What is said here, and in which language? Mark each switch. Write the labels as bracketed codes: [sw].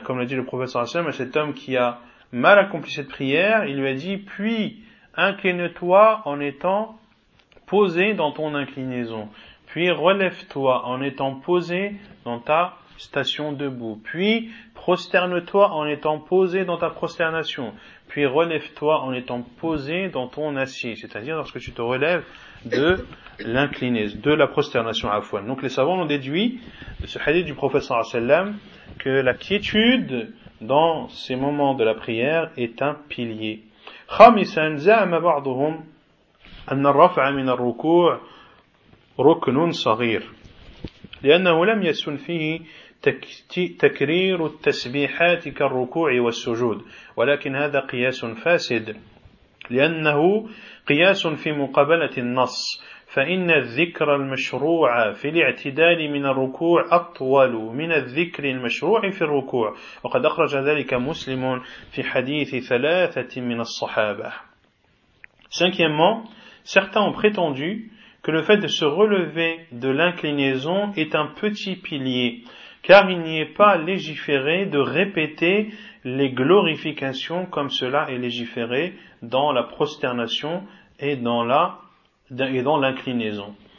[fr] Comme l'a dit le professeur Hassan, cet homme qui a mal accompli cette prière, il lui a dit, puis incline-toi en étant posé dans ton inclinaison, puis relève-toi en étant posé dans ta station debout, puis prosterne-toi en étant posé dans ta prosternation, puis relève-toi en étant posé dans ton assis, c'est-à-dire lorsque tu te relèves de l'inclinaison, de la prosternation à fouane. Donc les savants ont déduit de ce hadith du prophète sallallahu alayhi wa sallam que la quiétude dans ces moments de la prière est un pilier. [ar] Khamisan za'ama ba'dhum أن الرفع من الركوع ركن صغير لأنه لم يسن فيه تكرير التسبيحات كالركوع والسجود ولكن هذا قياس فاسد لأنه قياس في مقابلة النص فإن الذكر المشروع في الاعتدال من الركوع أطول من الذكر المشروع في الركوع وقد أخرج ذلك مسلم في حديث ثلاثة من الصحابة. [fr] Cinquièmement, certains ont prétendu que le fait de se relever de l'inclinaison est un petit pilier, car il n'y est pas légiféré de répéter les glorifications comme cela est légiféré dans la prosternation et dans l'inclinaison.